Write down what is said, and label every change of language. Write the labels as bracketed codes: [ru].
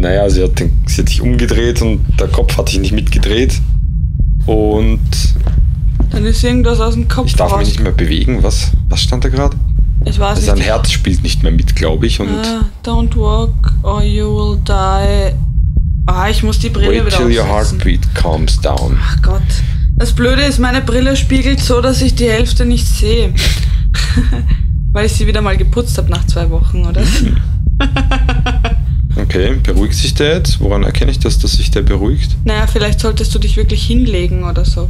[de] Naja, sie hat sich umgedreht und der Kopf hat sich nicht mitgedreht. Und... Dann ist irgendwas aus dem Kopf raus. Ich darf mich nicht mehr bewegen. Was stand da gerade? Es war sein Herz spielt nicht mehr mit, glaube ich. Und [en] don't walk or you will die. [de] Ah, ich muss die Brille [en] wait [de] wieder aufsetzen. [en] Wait till your heartbeat calms down. [de] Ach Gott. Das Blöde ist, meine Brille spiegelt so, dass ich die Hälfte nicht sehe. Weil ich sie wieder mal geputzt habe nach 2 Wochen, oder? Okay, beruhigt sich der jetzt? Woran erkenne ich das, dass sich der beruhigt? Naja, vielleicht solltest du dich wirklich hinlegen oder so.